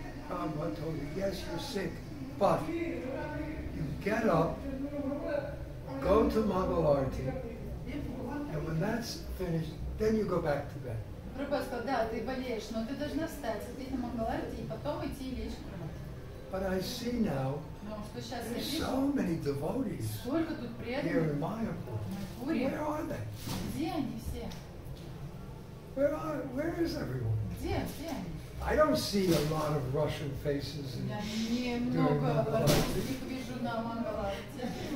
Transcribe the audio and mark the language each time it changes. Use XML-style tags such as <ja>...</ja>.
<en>Prabhupada told her, yes, you're sick, but you get up, go to Mangal Arati, and when that's finished, then you go back to bed.</en> <ru>Прабхупада сказал, да, ты болеешь, но ты должна встать, сидеть на Мангал Арати и потом идти и лечь в кровати. Но что сейчас я вижу, сколько тут преданных в Майяпуре. Где они все?</ru> <en>Where is everyone?</en> <ru>Где все они?</ru> <en>I don't see a lot of Russian faces in Mangal Arati.</en> <ru>Я не много вижу на Мангал Арати.</ru>